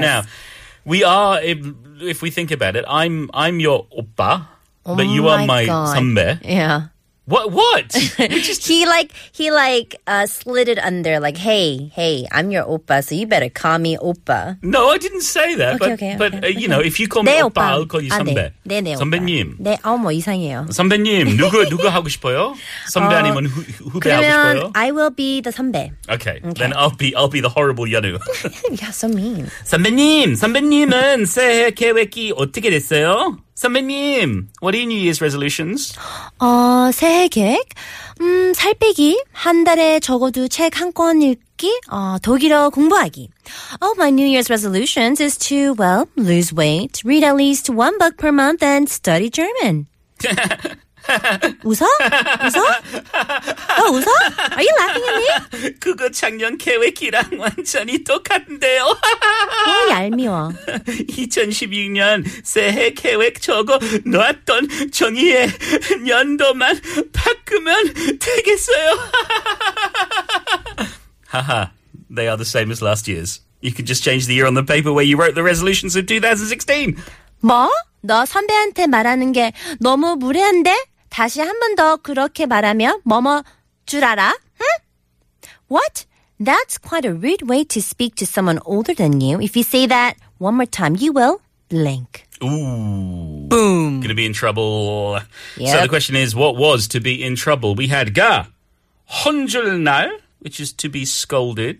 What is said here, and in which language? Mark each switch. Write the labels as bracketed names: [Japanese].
[English] Now, we are, if we think about it, I'm your oppa, but you are my sambe. Yeah. What? He slid it under, like, hey, I'm your oppa, so you better call me oppa. No, I didn't say that. Okay, But you know, if you call me oppa, I'll call you 선배. [Korean] 네, 선배님. 네, 어머, 이상해요. 선배님, 누구 하고 싶어요? 선배 아니면 후배 하고 싶어요? [English] 그러면 I will be the 선배. Okay, then I'll be the horrible 연우. Yeah, so mean. [Korean] 선배님은 새해 계획이 어떻게 됐어요? [English] 선배님, what are your New Year's resolutions? [Korean] 새해 계획? 살 빼기, 한 달에 적어도 책 한 권 읽기, 독일어 공부하기. [English] Oh, my New Year's resolutions is to, well, lose weight, read at least one book per month, and study German. [Korean] 웃어? 웃어? 너 웃어? [English] Are you laughing at me? [Korean] 그거 작년 계획이랑 완전히 똑같은데요. 너 얄미워. 2016년 새해 계획 적어 놓았던 종이의 연도만 바꾸면 되겠어요. [English] 하하, they are the same as last year's. You can just change the year on the paper where you wrote the resolutions of 2016. [Korean] 뭐? 너 선배한테 말하는 게 너무 무례한데? 다시 한 번 더 그렇게 말하면 뭐뭐 줄 알아? 응? [English] What? That's quite a rude way to speak to someone older than you. If you say that one more time, you will blink. Ooh. Boom. Gonna be in trouble. Yep. So the question is, what was to be in trouble? We had 가 혼절날, which is to be scolded.